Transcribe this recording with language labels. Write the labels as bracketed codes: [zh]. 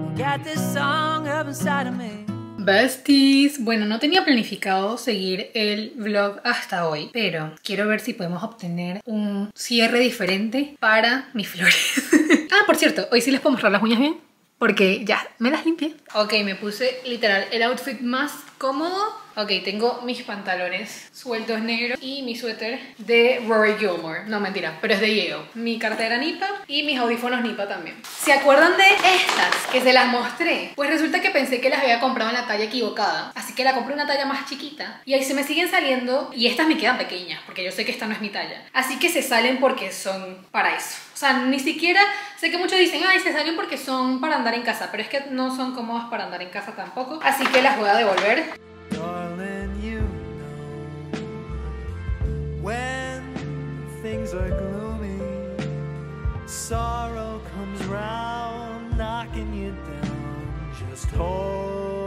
[en] got this song up inside of me. [es] Besties, bueno, no tenía planificado seguir el vlog hasta hoy, pero quiero ver si podemos obtener un cierre diferente para mis flores. Ah, por cierto, hoy sí les puedo mostrar las uñas bien, porque ya me las limpié. Ok, me puse literal el outfit más cómodo. Ok, tengo mis pantalones sueltos negros y mi suéter de Rory Gilmore. No, mentira, pero es de Yale. Mi cartera Nipa y mis audífonos Nipa también. ¿Se acuerdan de estas que se las mostré? Pues resulta que pensé que las había comprado en la talla equivocada. Así que la compré una talla más chiquita. Y ahí se me siguen saliendo. Y estas me quedan pequeñas, porque yo sé que esta no es mi talla. Así que se salen porque son para eso. O sea, ni siquiera... Sé que muchos dicen, ay, se salen porque son para andar en casa. Pero es que no son cómodas para andar en casa tampoco. Así que las voy a devolver. [en] Darling, you know, when things are gloomy, sorrow comes round, knocking you down, just hold.